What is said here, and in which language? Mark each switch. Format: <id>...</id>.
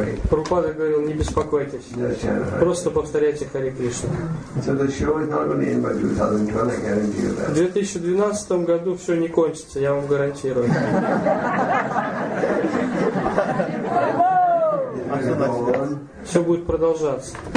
<ru>Прабхупада говорил, не беспокойтесь. Просто повторяйте Хари Кришну.</ru> <en>So the show is not going to end by 2012, I guarantee you that.</en> <ru>В 2012 году все не кончится, я вам гарантирую. А что все будет продолжаться.</ru>